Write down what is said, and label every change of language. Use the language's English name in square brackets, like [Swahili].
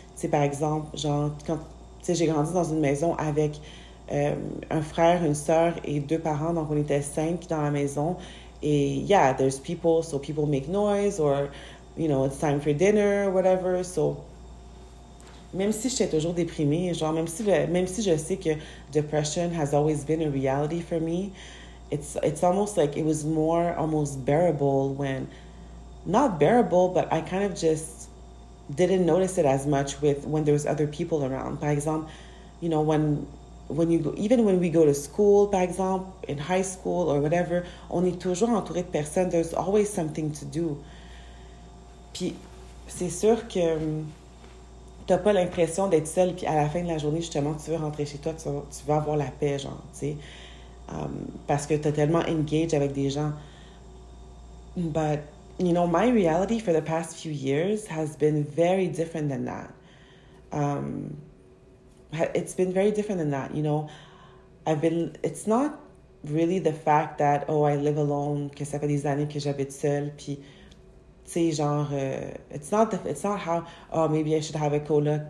[French] Tu sais, par exemple, genre, quand, tu sais, j'ai grandi dans une maison avec un frère, une sœur et deux parents. Donc, on était cinq dans la maison. [English] Et, yeah, there's people, so people make noise or, you know, it's time for dinner or whatever. So, [French] même si j'étais toujours déprimée, genre, même si je sais que [English] depression has always been a reality for me, it's almost like it was more almost bearable when, not bearable, but I kind of just didn't notice it as much with when there was other people around. Par exemple, you know, when you go, even when we go to school, par exemple, in high school or whatever, [French] on est toujours entouré de personnes, [English] there's always something to do. [French] Puis, c'est sûr que t'as pas l'impression d'être seule, puis à la fin de la journée, justement, tu veux rentrer chez toi, tu veux avoir la paix, genre, tu sais. Parce que t'as tellement engaged avec des gens. [English] But, you know, my reality for the past few years has been very different than that. it's been very different than that. You know, I've been, it's not really the fact that, oh, I live alone, [French] que ça fait des années que j'habite seule, puis, tu sais, genre, [English] it's not how, oh, maybe I should have a coloc.